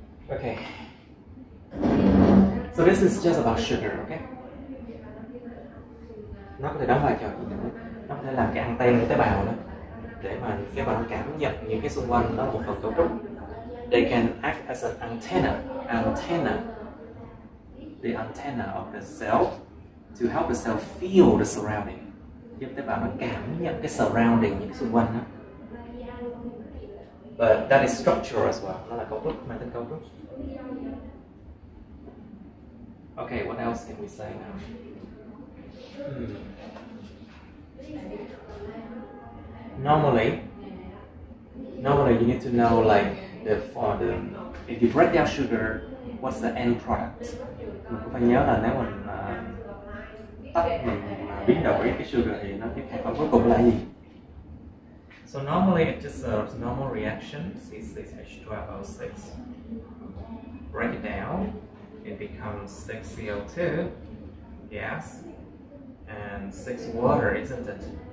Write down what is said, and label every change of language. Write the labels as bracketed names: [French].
[English] Okay. So this is just about sugar, okay? [Vietnamese] Nó có thể đóng vai trò gì nữa? Nó có thể làm cái anten của tế bào nữa, để mà tế bào cảm nhận những cái xung quanh đó một phần cấu trúc. [English] They can act as an antenna. Antenna, the antenna of the cell, to help the cell feel the surrounding. [Vietnamese] Giúp tế bào nó cảm nhận cái surrounding, những cái xung quanh đó. [English] But that is structural as well. [Vietnamese] Nó là cấu trúc, mang tính cấu trúc. [English] Okay, what else can we say now? Hmm. normally you need to know like the if you break down sugar, what's the end product? [Vietnamese] Mình phải nhớ là nếu mình tách mình biến đổi cái sugar thì nó cái thành phần cuối cùng là gì? [English] So normally it deserves normal reaction C6H12O6. Break it down, it becomes 6CO2, yes, and 6 water, isn't it?